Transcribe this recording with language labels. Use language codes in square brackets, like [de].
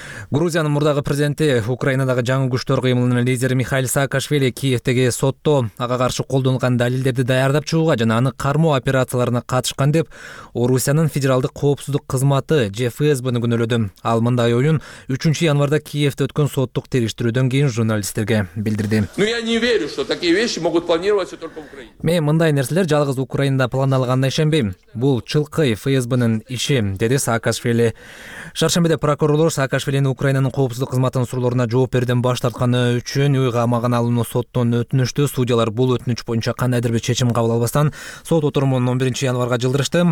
[ky] Грузиянын мурдагы президенти, Украинадагы жаңы күчтөр кыймылынын лидери Михаил Саакашвили Киевтеги сотто ага каршы колдонулган далилдерди даярдап чыгууга жана аны кармоо операцияларына катышкан деп Орусиянын федералдык коопсуздук кызматы же ФСБ күнөлөдү. Ал мындай оюн 3 январда Киевте өткөн соттук териштирүүдөн кийин журналисттерге билдирди. [ru] Но я не верю, что такие вещи могут планироваться только в Украине. [ky] Мен мындай нерселер жалгыз Украинада планалганына ишенбейм. Бул чылкый ФСБнын иши, деди Саакашвили. Шаршембиде прокурорлор Саакашвилини Украинанын коопсуздук кызматынын суроолоруна жооп берден баш тартканы үчүн үй камагына алууну соттон өтүнүштү. Судьялар бул өтүнүч боюнча кандайдыр бир чечим кабыл албастан сот отурумун 11 январга жылдырышты.